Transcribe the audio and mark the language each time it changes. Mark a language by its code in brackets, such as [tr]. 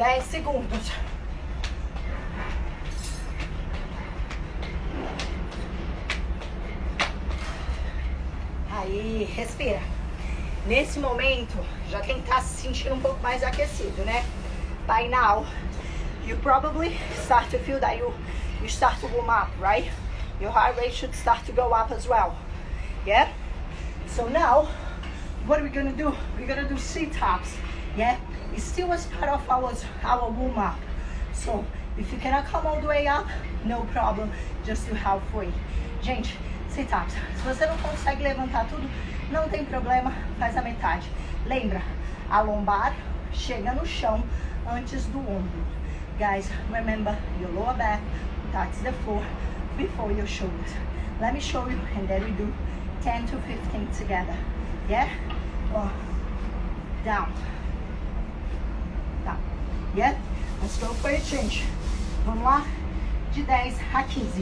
[pt] Segundos. Aí, respira. Nesse momento, já tem que estar se sentindo um pouco mais aquecido, né? [en] By now, you probably start to feel that you start to warm up, right? Your heart rate should start to go up as well. Yeah? So now, what are we gonna do? We're gonna do sit-ups, yeah? It still was part of our warm up. So, if you cannot come all the way up, no problem, just do halfway. [pt] Gente, sit-ups. Se você não consegue levantar tudo, não tem problema, faz a metade. Lembra, a lombar chega no chão antes do ombro. [en] Guys, remember, your lower back touches the floor before your shoulders. Let me show you, and then we do 10 to 15 together. Yeah? Or down. Yeah? Let's go for a change. [pt] Vamos lá? De 10 a 15.